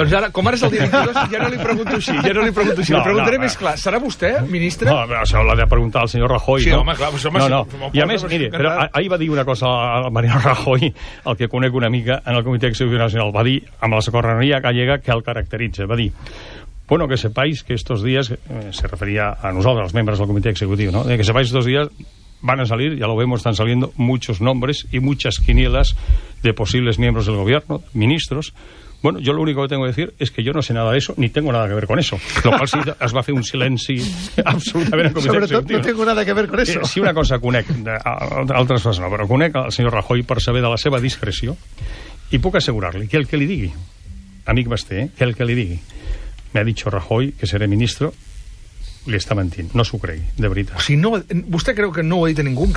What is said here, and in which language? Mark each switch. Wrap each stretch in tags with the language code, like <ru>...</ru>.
<ca>Doncs ara, com ara és el dia 22, ja no li pregunto així. No, li preguntaré més clar. Serà vostè ministre? No, això l'ha de preguntar al senyor Rajoy. Sí, no? Home, clar, però no. I a més, miri, però ahir va dir una cosa a Mariano Rajoy, el que conec una mica en el Comitè Executiu Nacional, va dir amb la socorreria gallega que el caracteritza, va dir...</ca> <es>Bueno, que sepáis que estos días...</es> <ca>se referia a nosaltres, als membres del Comitè Executiu, no?</ca> <es>Que sepáis que estos días van a salir, ya lo vemos, están saliendo muchos nombres y muchas quinielas de posibles miembros del gobierno, ministros. Bueno, yo lo único que tengo que decir es que yo no sé nada de eso, ni tengo nada que ver con eso. Lo cual sí,</es> <ca>es va fer un silenci absolutament incomitent.</ca> <es>Sobretot no tengo nada que ver con eso.</es> <ca>Sí, una cosa conec, altres coses no, però conec el senyor Rajoy per saber de la seva discreció i puc assegurar-li que el que li digui, amic Basté, que el que li digui,</ca> <es>me ha dicho Rajoy que seré ministro,</es> <ca>li està mentint, no s'ho cregui, de veritat. O sigui, no, vostè creu que no ho ha dit a ningú?</ca>